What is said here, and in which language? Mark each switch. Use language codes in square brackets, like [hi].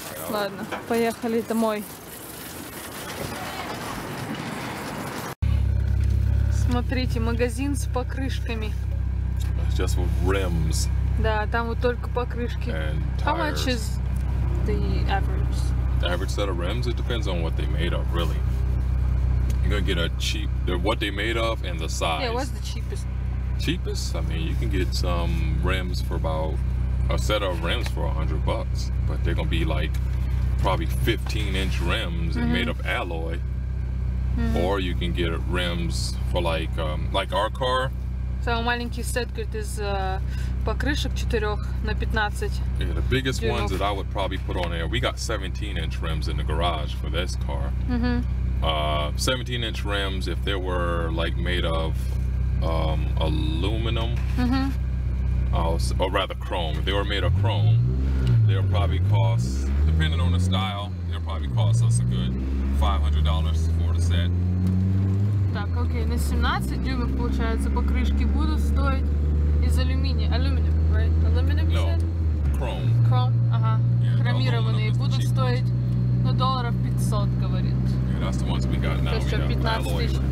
[ru] Ладно, поехали домой. Смотрите, магазин с покрышками. [en] Just with rims. [ru] Да, там вот только покрышки. [en] How much is the average? The average set of rims, it depends on what they made of, really. You're gonna get a cheap, what they made of and the size. Yeah, what's the cheapest? Cheapest? I mean, you can get some rims for about, a set of rims for $100, but they're gonna be like, probably 15-inch rims and made of alloy. Mm-hmm. Or you can get rims for like our car. [ru] Самый маленький сет, говорит, из покрышек 4 на 15. [en] Yeah, the biggest ones that I would probably put on there. We got 17-inch rims in the garage for this car. Mm-hmm. 17-inch rims, if they were like made of aluminum, or rather chrome, if they were made of chrome, they'll probably cost, depending on the style, they'll probably cost us a good $500 for the set. [ru] Так, окей, на 17 дюймов, получается, покрышки будут стоить из алюминия. [en] Aluminum, right? Aluminum, you said? No, chrome. Chrome, ага. Yeah, [ru] хромированные будут стоить, ну, долларов 500, говорит. [en] Yeah, that's the ones we got now. [ru] То есть, что, 15 тысяч.